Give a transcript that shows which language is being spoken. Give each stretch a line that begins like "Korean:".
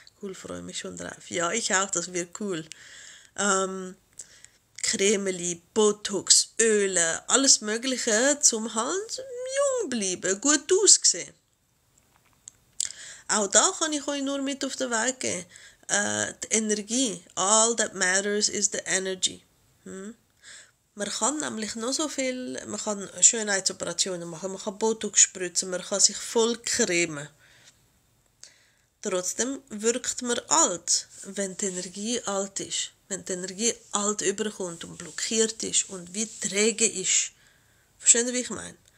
German: Cool, freue mich schon drauf. Ja, ich auch, das wird cool. Cremeli, Botox, Öle, alles Mögliche, zum Hals jung bleiben, gut aussehen. Auch da kann ich euch nur mit auf den Weg geben. Die Energie,
English: all that matters is the energy.
German: Man kann nämlich noch so viel, man kann Schönheitsoperationen machen, man kann Botox spritzen, man kann sich voll cremen. Trotzdem wirkt man alt, wenn die Energie alt ist, wenn die Energie alt überkommt und blockiert ist und wie träge ist. Verstehen Sie, wie ich meine?